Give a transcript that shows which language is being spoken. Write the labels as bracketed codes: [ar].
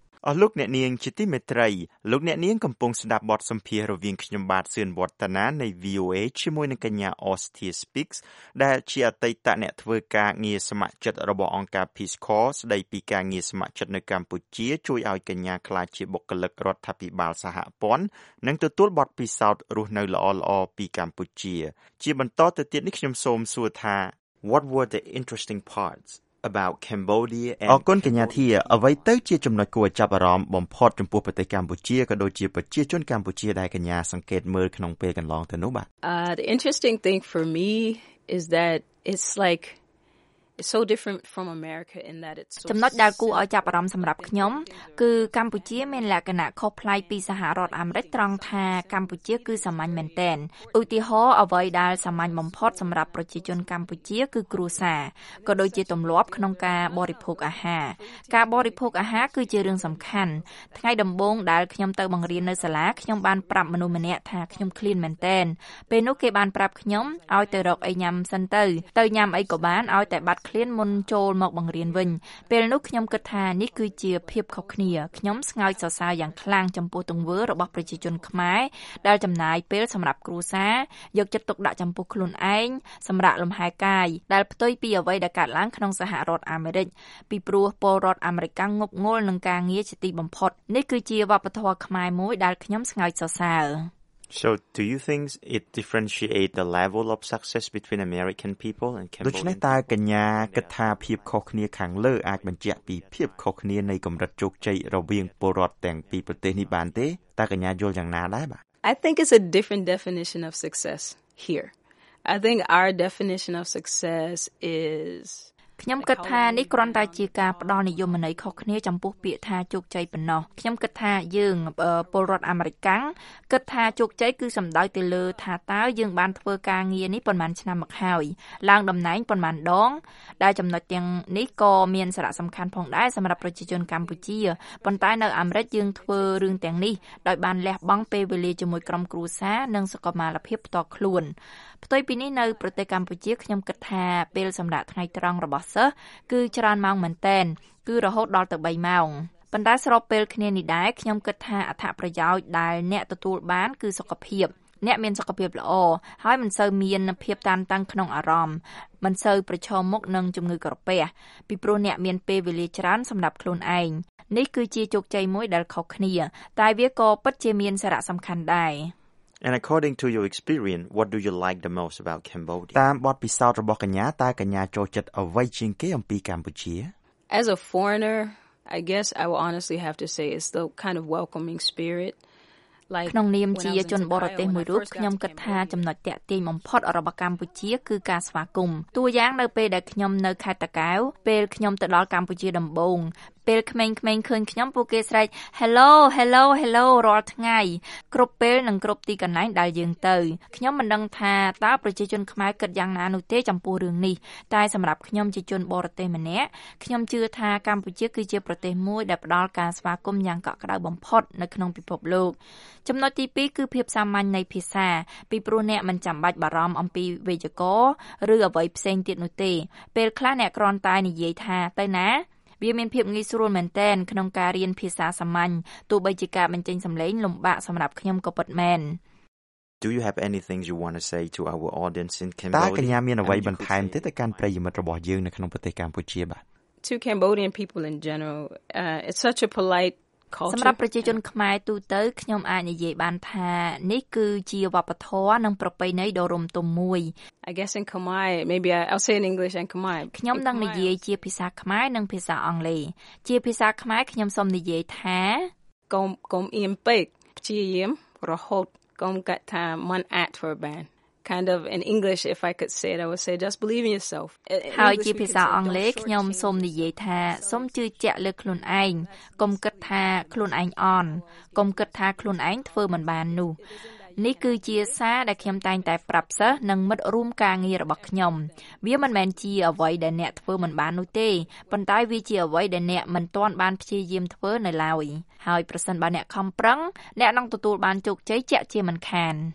[km] អស់លោកអ្នកនាងជាទីមេត្រីលោកអ្នកនាងកំពុងស្ដាប់បទសម្ភាសន៍រវាងខ្ញុំបាទសឿនវឌ្ឍនានៃ VOA ជាមួយនឹងកញ្ញា Austia Speaks ដែលជាអតីតអ្នកធ្វើការងារសមាជិករបស់អង្គការ Peace Corps ស្ដីពីការងារសមាជិកនៅកម្ពុជាជួយឲ្យកញ្ញាក្លាយជាបុគ្គលិករដ្ឋាភិបាលសហព័ន្ធនិងទទួលបទពិសោធន៍រស់នៅល្អល្អពីកម្ពុជាជាបន្តទៅទៀតនេះខ្ញុំសូមសួរថា [en] What were the interesting parts? about Cambodia and [km] អរគុណកញ្ញាធាអ្វីទៅជាចំណុចគួរចាប់អារម្មណ៍បំផុតចំពោះប្រទេសកម្ពុជាក៏ដូចជាប្រជាជនកម្ពុជាដែលកញ្ញាសង្កេតមើលក្នុងពេលកន្លងទៅនោះបាទ [en] The interesting thing for me is that it's like it's so different from America in that it's [km] ចំណុចដែលគួរឲ្យចាប់អារម្មណ៍សម្រាប់ខ្ញុំគឺកម្ពុជាមានលក្ខណៈខុសប្លែកពីសហរដ្ឋអាមេរិកត្រង់ថាកម្ពុជាគឺសាមញ្ញមែនទែនឧទាហរណ៍អ្វីដែលសាមញ្ញបំផុតសម្រាប់ប្រជាជនកម្ពុជាគឺគ្រួសារក៏ដូចជាទម្លាប់ក្នុងការបរិភោគអាហារ ការបរិភោគអាហារគឺជារឿងសំខាន់ថ្ងៃដំបូងដែលខ្ញុំទៅបង្រៀននៅសាលាខ្ញុំបានប្រាប់មនុស្សម្នាក់ថាខ្ញុំឃ្លានមែនទែនពេលនោះគេបានប្រាប់ខ្ញុំឲ្យទៅរកអីញ៉ាំសិនទៅទៅញ៉ាំអីក៏បានឲ្យតែបាត់ឃ្លានមុនចូលមកបង្រៀនវិញពេលនោះខ្ញុំគិតថានេះគឺជាភាពខុសគ្នាខ្ញុំស្ងើចសរសើរយ៉ាងខ្លាំងចំពោះទង្វើរបស់ប្រជាជនខ្មែរ ដែលចំណាយពេលសម្រាប់គ្រួសារយកចិត្តទុកដាក់ចំពោះខ្លួនឯងសម្រាប់លំហែកាយដែលផ្ទុយពីអ្វីដែលកើតឡើងក្នុងសហរដ្ឋអាមេរិកពីព្រោះពលរដ្ឋអាមេរិកងប់ងល់នឹងការងារជាទីបំផុតនេះគឺជាវប្បធម៌ខ្មែរមួយដែលខ្ញុំស្ងើចសរសើរ [en] So do you think it differentiate the level of success between American people and Cambodian? [km] ដូច្នេះតើកញ្ញាគិតថាភាពខុសគ្នាខាងលើអាចបញ្ជាក់ពីភាពខុសគ្នានៃកម្រិតជោគជ័យរវាងពលរដ្ឋទាំងពីរប្រទេសនេះបានទេ? តើកញ្ញាយល់យ៉ាងណាដែរបាទ? [en] I think it's a different definition of success here. I think our definition of success is [km] ខ្ញុំគិតថានេះគ្រាន់តែជាការផ្ដល់និយមន័យខុសគ្នាចំពោះពាក្យថាជោគជ័យប៉ុណ្ណោះខ្ញុំគិតថាយើងពលរដ្ឋអាមេរិកគិតថាជោគជ័យគឺសំដៅទៅលើថាតើយើងបានធ្វើការងារនេះប៉ុន្មានឆ្នាំមកហើយឡើងតំណែងប៉ុន្មានដងដែលចំណុចទាំងនេះក៏មានសារៈសំខាន់ផងដែរសម្រាប់ប្រជាជនកម្ពុជាប៉ុន្តែនៅអាមេរិកយើងធ្វើរឿងទាំងនេះដោយបានលះបង់ពេលវេលាជាមួយក្រុមគ្រួសារនិងសុខភាពផ្ទាល់ខ្លួន ផ្ទុយពីនេះនៅប្រទេសកម្ពុជាខ្ញុំគិតថាពេលសម្រាប់ថ្ងៃត្រង់របស់សិស្សគឺច្រើនម៉ោងមែនទែនគឺរហូតដល់ទៅ3ម៉ោងប៉ុន្តែស្របពេលគ្នានេះដែរខ្ញុំគិតថាអត្ថប្រយោជន៍ដែលអ្នកទទួលបានគឺសុខភាពអ្នកមានសុខភាពល្អហើយមិនសូវមានភាពតានតឹងក្នុងអារម្មណ៍មិនសូវប្រឈមមុខនឹងជំងឺក្រពះពីព្រោះអ្នកមានពេលវេលាច្រើនសម្រាប់ខ្លួនឯងនេះគឺជាជោគជ័យមួយដែលខុសគ្នាតែវាក៏ពិតជាមានសារៈសំខាន់ដែរ [en] And according to your experience, what do you like the most about Cambodia? [km] តាមបទពិសោធន៍របស់កញ្ញាតើកញ្ញាចូលចិត្តអ្វីជាងគេអំពីកម្ពុជា? [en] As a foreigner, I guess I will honestly have to say it's the kind of welcoming spirit. [km] ក្នុងនាមជាជនបរទេសមួយរូបខ្ញុំគិតថាចំណុចទាក់ទាញបំផុតរបស់កម្ពុជាគឺការស្វាគមន៍តួយ៉ាងនៅពេលដែលខ្ញុំនៅខេត្តតាកែវពេលខ្ញុំទៅដល់កម្ពុជាដំបូងពេលក្មេងៗឃើញខ្ញុំពួកគេស្រែក [en] Hello Hello Hello [km] រាល់ថ្ងៃគ្រប់ពេលនិងគ្រប់ទីកន្លែងដែលយើងទៅខ្ញុំមិនដឹងថាតើប្រជាជនខ្មែរគិតយ៉ាងណានោះទេចំពោះរឿងនេះតែសម្រាប់ខ្ញុំជាជនបរទេសម្នាក់ខ្ញុំជឿថាកម្ពុជាគឺជាប្រទេសមួយដែលផ្ដល់ការស្វាគមន៍យ៉ាងកក់ក្ដៅបំផុតនៅក្នុងពិភពលោក ចំណុចទី2គឺភាពសាមញ្ញនៃភាសាពីព្រោះអ្នកមិនចាំបាច់បារម្ភអំពីវេយ្យាករណ៍ឬអ្វីផ្សេងទៀតនោះទេពេលខ្លះអ្នកគ្រាន់តែនិយាយថាទៅណាវាមានភាពងាយស្រួលមែនទែនក្នុងការរៀនភាសាសាមញ្ញទោះបីជាការបញ្ចេញសំឡេងលំបាកសម្រាប់ខ្ញុំក៏ពិតមែន [en] Do you have anything you want to say to our audience in Cambodia? [km] តើកញ្ញាមានអ្វីបន្ថែមទេទៅកាន់ប្រិយមិត្តរបស់យើងនៅក្នុងប្រទេសកម្ពុជាបាទ [en] To Cambodian people in general, it's such a polite [km] សម្រាប់ប្រជាជនខ្មែរទូទៅខ្ញុំអាចនិយាយបានថានេះគឺជាវប្បធម៌និងប្រពៃណីដ៏រំទុំមួយ [en] I guess in Khmer maybe I'll say in English and Khmer [km] ខ្ញុំនឹងនិយាយជាភាសាខ្មែរនិងភាសាអង់គ្លេសជាភាសាខ្មែរខ្ញុំសូមនិយាយថា កុំអៀមពេកព្យាយាមរហូតកុំកាក់ថាមិនអាចធ្វើបាន [en] kind of in English if I could say it, I would say just believe in yourself. [km] ហើយជាភាសាអង់គ្លេសខ្ញុំសូមនិយាយថាសូមជឿជាក់លើខ្លួនឯងកុំគិតថាខ្លួនឯងអន់កុំគិតថាខ្លួនឯងធ្វើមិនបាននោះនេះគឺជាសារដែលខ្ញុំតែងតែប្រាប់សិស្សនិងមិត្តរួមការងាររបស់ខ្ញុំវាមិនមែនជាអ្វីដែលអ្នកធ្វើមិនបាននោះទេប៉ុន្តែវាជាអ្វីដែលអ្នកមិនទាន់បានព្យាយាមធ្វើនៅឡើយហើយប្រសិនបើអ្នកខំប្រឹងអ្នកនឹងទទួលបានជោគជ័យជាក់ជាមិនខាន